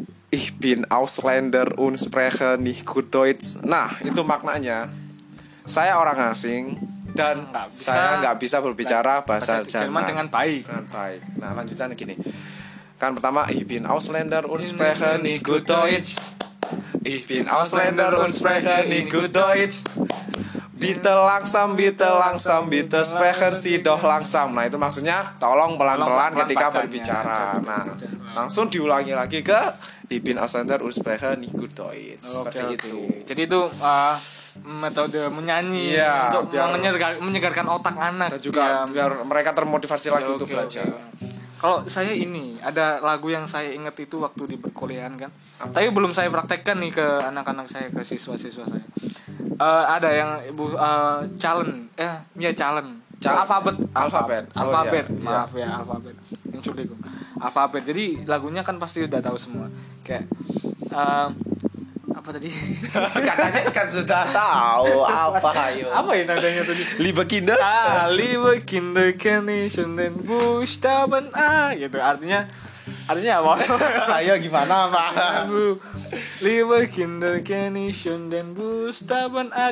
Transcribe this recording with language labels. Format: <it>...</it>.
<de>Ich bin Ausländer und spreche nicht gut Deutsch.</de> <id>Nah, itu maknanya saya orang asing dan saya nggak bisa berbicara bahasa Jerman dengan baik. Nah, lanjutannya gini. Kan pertama,</id> <de>ich bin Ausländer und spreche nicht gut Deutsch. Ich bin Ausländer und spreche nicht gut Deutsch. Bitte langsam, sprechen Sie doch langsam.</de> <id>Nah, itu maksudnya tolong pelan-pelan ketika berbicara. Nah, langsung diulangi lagi ke</id> <de>ich bin Ausländer und spreche nicht gut Deutsch.</de> <id>Seperti itu. Jadi itu metode menyanyi untuk menyegarkan otak anak dan juga biar mereka termotivasi lagi untuk belajar. Kalau saya ini ada lagu yang saya ingat itu waktu di perkuliahan kan. Apa? Tapi belum saya praktekkan nih ke anak-anak saya, ke siswa-siswa saya. Ada yang ibu alfabet. Yang culik alfabet. Jadi lagunya kan pasti udah tahu semua. Kayak apa tadi? Katanya kan sudah tahu apa ayo. Apa yang nadanya tadi?</id> <de>Liebe Kinder. Liebe Kinder, kann ich schon den Buchstaben A.</de> <id>Gitu. Artinya apa? Ayo gimana, Pak?</id> <de>Liebe Kinder, kann ich schon den Buchstaben A.</de>